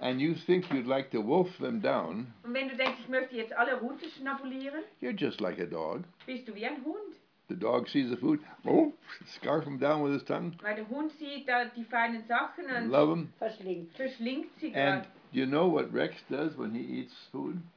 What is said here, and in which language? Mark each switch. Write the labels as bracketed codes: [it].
[en] and you think you'd like to wolf them down, [de] und wenn du denkst, ich möchte jetzt alle runterschnabulieren, [en] you're just like a dog. [de] Bist du wie ein Hund. [en] The dog sees the food, oh, scarf him down with his tongue. [de] Weil der Hund sieht da die feinen Sachen und [en] Love him. [de] Verschlingt sie. [en] And do you know what Rex does when he eats food?